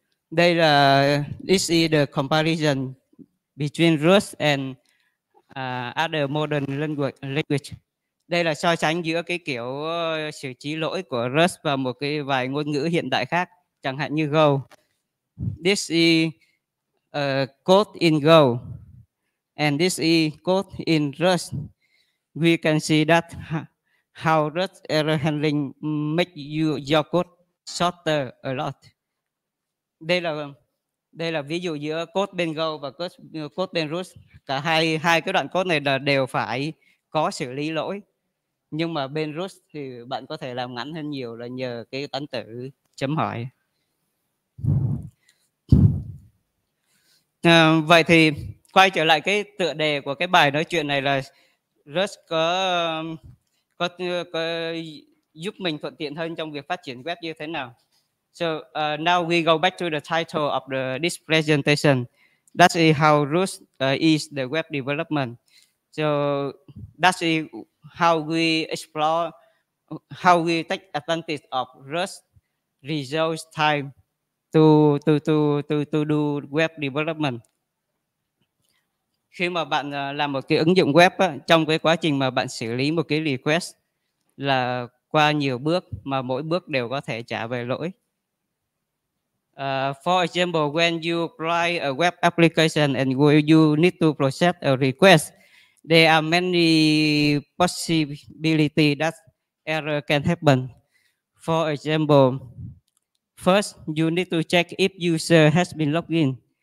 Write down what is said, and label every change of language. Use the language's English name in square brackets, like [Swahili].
[Vietnamese] Đây là [English] this is the comparison between Rust and other modern language. [Vietnamese] Đây là so sánh giữa cái kiểu xử trí lỗi của Rust và một cái vài ngôn ngữ hiện đại khác, chẳng hạn như Go. [English] This is code in Go and this is code in Rust. We can see that how Rust error handling make you your code shorter a lot. [Vietnamese] Đây là ví dụ giữa code bên Go và code bên Rust. Cả hai cái đoạn code này đều phải có xử lý lỗi, nhưng mà bên Rust thì bạn có thể làm ngắn hơn nhiều là nhờ cái tán tử chấm hỏi. Vậy thì quay trở lại cái tựa đề của cái bài nói chuyện này là Rust có giúp mình thuận tiện hơn trong việc phát triển web như thế nào. [English] So now we go back to the title of this presentation. That is how Rust is the web development. So that is how we explore, how we take advantage of Rust resource time to do web development. [Vietnamese] Khi mà bạn làm một cái ứng dụng web á, trong cái quá trình mà bạn xử lý một cái request là qua nhiều bước mà mỗi bước đều có thể trả về lỗi. [English] For example, when you write a web application and you need to process a request, there are many possibilities that error can happen. For example, first you need to check if user has been logged in.